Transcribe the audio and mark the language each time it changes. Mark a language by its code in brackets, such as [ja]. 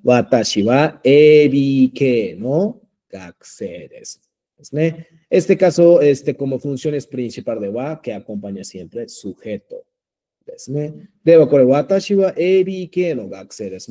[ja] 私は ABK の学生です。ですね。 [es] Este caso, como funciones principales de wa, que acompaña siempre sujeto. [ja] ですね。ではこれ私は ABK の学生です。